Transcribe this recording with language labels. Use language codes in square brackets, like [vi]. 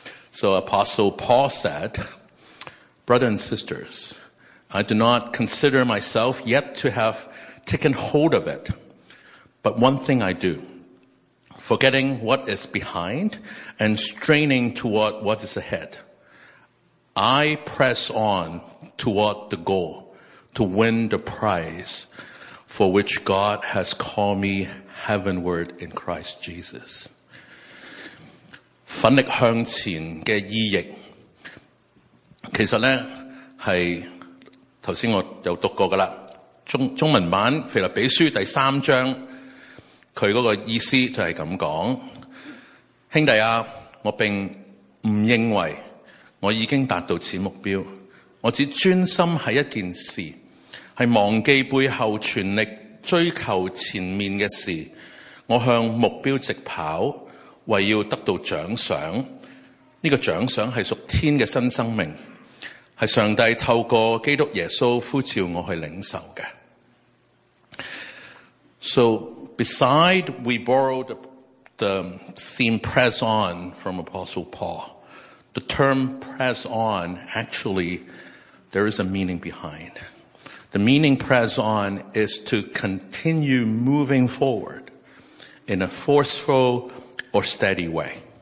[en] So Apostle Paul said, "Brothers and sisters, I do not consider myself yet to have taken hold of it, but one thing I do, forgetting what is behind and straining toward what is ahead, I press on toward the goal to win the prize for which God has called me heavenward in Christ Jesus." [yue] 奋力向前的意义其实呢是头先我有读过噶啦，中文版《腓立比书》第三章，佢嗰个意思就系咁讲：兄弟啊，我并唔认为我已经达到此目标，我只专心喺一件事，系忘记背后，全力追求前面嘅事。我向目标直跑，为要得到奖赏。这个奖赏系属天嘅新生命。是上帝透过基督耶稣呼召我去领受的。 [en] So, beside we borrow the theme press on from Apostle Paul, the term press on, actually, there is a meaning behind. The meaning press on is to continue moving forward in a forceful or steady way.